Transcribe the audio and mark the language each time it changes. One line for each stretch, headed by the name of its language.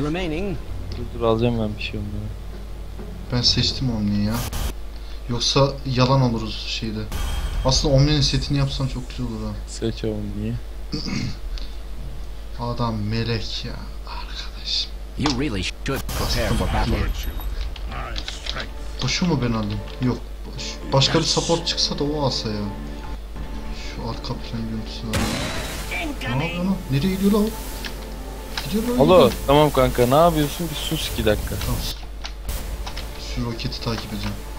English: remaining.
Turkish: Dur dur alacağım ben bir şey onları. Ben seçtim Omni'yi ya. Yoksa yalan oluruz şeyde. Aslında Omni'nin setini yapsan çok güzel olur ha. Seç Omni'yi. Adam melek ya arkadaşım.
English: You really should prepare for battle.
Turkish: Boşu mu ben aldım? Yok. Boş. Başka bir support çıksa da o alsa ya. Şu arka plan görüntüsü var. Ne yapıyor lan? Nereye gidiyor lan? Gidiyor lan. Alo tamam kanka ne yapıyorsun? Bir sus 2 dakika. Tamam. Şu roketi takip edeceğim.